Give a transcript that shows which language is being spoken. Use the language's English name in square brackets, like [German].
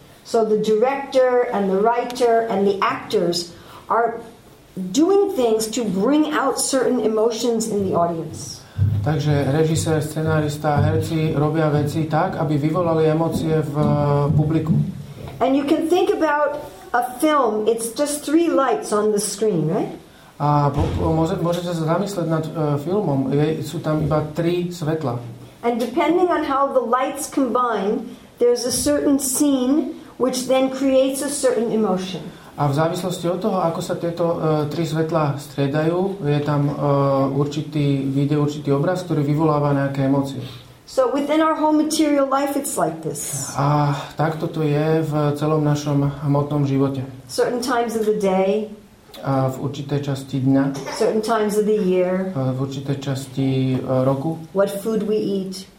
[English] So the director and the writer and the actors are doing things to bring out certain emotions in the audience. [Slovak] Takže režisér, scenárista, herci robia veci tak, aby vyvolali emócie v publiku. [English] And you can think about a film, it's just three lights on the screen, right? [Slovak] A môžete sa zamyslieť nad filmom, sú tam iba tri svetla. [English] And depending on how the lights combine, there's a certain scene which then creates a certain emotion. [Slovak] A v závislosti od toho, ako sa tieto tri svetlá striedajú, je tam určitý video, určitý obraz, ktorý vyvoláva nejaké emócie. [English] So within our whole material life it's like this. [Slovak] A takto to je v celom našom hmotnom živote. [English] Certain times of the day. [Slovak] A v určitej časti dňa. [English] Certain times of the year. [Slovak] A v určitej časti roku. [English] What food we eat.